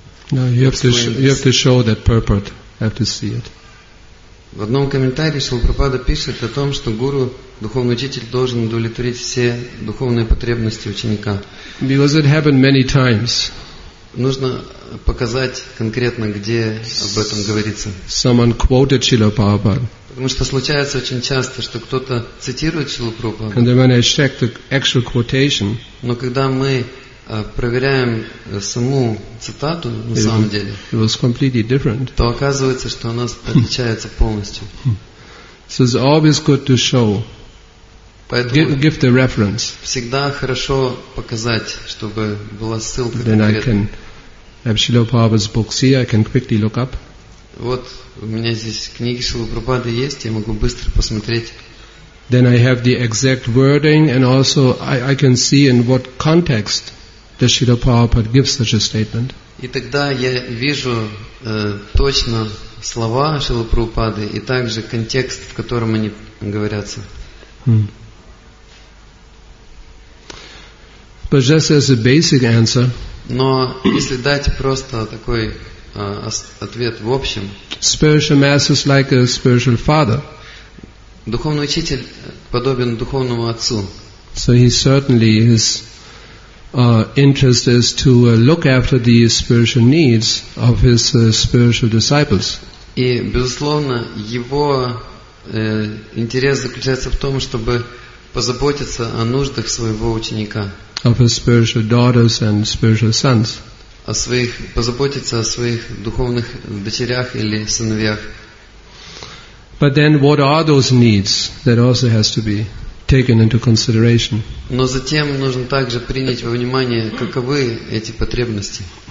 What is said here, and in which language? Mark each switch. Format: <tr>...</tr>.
<en>You have to show that purport. I have to see it.</en> <ru>В одном комментарии Шрила Прабхупада пишет о том, что гуру, духовный учитель, должен удовлетворить все духовные потребности ученика.</ru> <en>Because it happened many times.</en> <ru>Нужно показать конкретно, где об этом говорится.</ru> <en>Someone quoted Srila Prabhupada.</en> <ru>Потому что случается очень часто, что кто-то цитирует Шрилу Прабхупаду.</ru> <en>And then when I check the actual quotation.</en> <ru>Но когда мы проверяем саму цитату на</ru> <en>it,</en> <ru>самом деле,</ru> <en>it was completely different.</en> <ru>То оказывается, что она отличается полностью.</ru> <en>So it's always good to show. Give the reference.</en> <ru>Всегда хорошо показать, чтобы была ссылка.</ru> <en>Then I can have Srila Prabhupada's books here. I can quickly look up.</en> <ru>Вот у меня здесь книги Шрилы Прабхупады есть, я могу быстро посмотреть.</ru> <en>Then I have the exact wording, and also I can see in what context does Srila Prabhupada give such a statement.</en> <ru>И тогда я вижу точно слова Шрилы Прабхупады и также контекст, в котором они говорятся.</ru> <en>But just as a basic answer.</en> <ru>Но если дать просто такой ответ в общем.</ru> <en>Spiritual master is like a spiritual father.</en> <ru>Духовный учитель подобен духовному отцу.</ru> <en>So he certainly his interest is to look after the spiritual needs of his spiritual disciples.</en> <ru>И безусловно его интерес заключается в том, чтобы позаботиться о нуждах своего ученика.</ru> <en>Of his spiritual daughters and spiritual sons.</en> <ru>О своих позаботиться о своих духовных дочерях или сыновьях.</ru> <en>But then, what are those needs? That also has to be taken into consideration.</en> <ru>Но затем нужно также принять во внимание, каковы эти потребности.</ru>